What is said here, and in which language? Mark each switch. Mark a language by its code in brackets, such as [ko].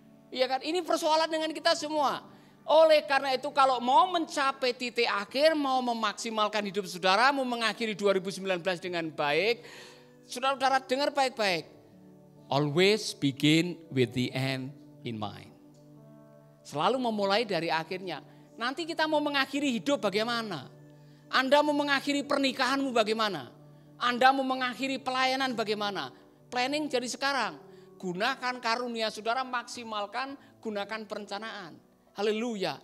[id] Iya kan? Ini persoalan dengan kita semua. Oleh karena itu kalau mau mencapai titik akhir, mau memaksimalkan hidup saudara, mau mengakhiri 2019 dengan baik, saudara-saudara dengar baik-baik. [en] Always begin with the end in mind. [id] Selalu memulai dari akhirnya. Nanti kita mau mengakhiri hidup bagaimana? Anda mau mengakhiri pernikahanmu bagaimana? Anda mau mengakhiri pelayanan bagaimana? Planning dari sekarang. Gunakan karunia saudara, maksimalkan, gunakan perencanaan. Haleluya.